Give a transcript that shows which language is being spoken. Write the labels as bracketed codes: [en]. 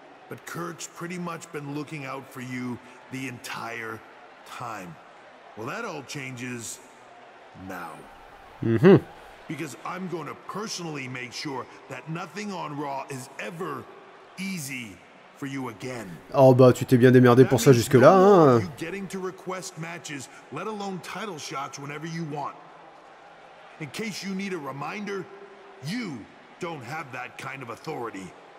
[en] But Kurt's pretty much been looking out for you the entire time. Well, that all changes now. Mm-hmm. Because I'm going to personally make sure that nothing on Raw is ever easy for you again. [fr] Oh bah tu t'es bien démerdé pour ça jusque là hein. [en] Getting to request matches, let alone title shots whenever you want. In case you need a reminder, you don't have that kind of authority.